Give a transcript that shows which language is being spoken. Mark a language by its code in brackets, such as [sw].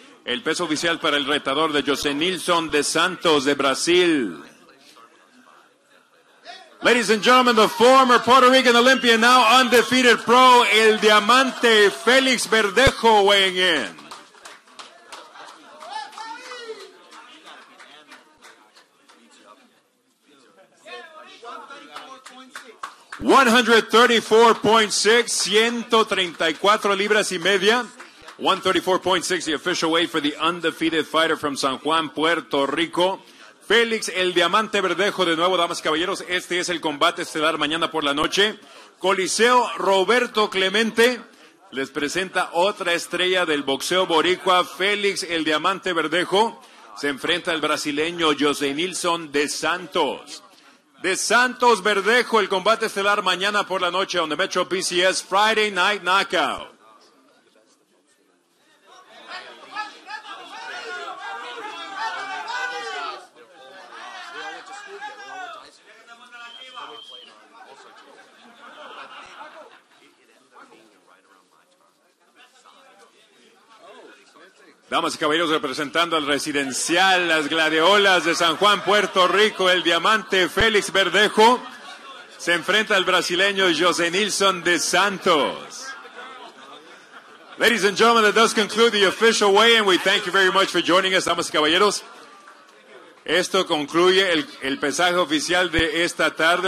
[es] El peso oficial para el retador de José Nilson de Santos de Brazil. [en] Ladies and gentlemen, the former Puerto Rican Olympian, now undefeated pro, El Diamante Félix Verdejo, weighing in. [es] £134.6, 134 libras y media. [en] £134.6, the official weight for the undefeated fighter from San Juan, Puerto Rico. [es] Félix, el Diamante Verdejo, de nuevo, damas y caballeros. Este es el combate estelar mañana por la noche. Coliseo Roberto Clemente les presenta otra estrella del boxeo boricua. Félix, el Diamante Verdejo, se enfrenta al brasileño José Nilson de Santos. De Santos Verdejo, el combate estelar mañana por la noche [en] on the Metro PCS Friday Night Knockout. [es] Damas y caballeros, representando al residencial, las gladiolas de San Juan, Puerto Rico, el Diamante Félix Verdejo se enfrenta al brasileño José Nilson de Santos. [en] Ladies and gentlemen, that does conclude the official weigh-in. We thank you very much for joining us, [es] damas y caballeros. Esto concluye el pesaje oficial de esta tarde.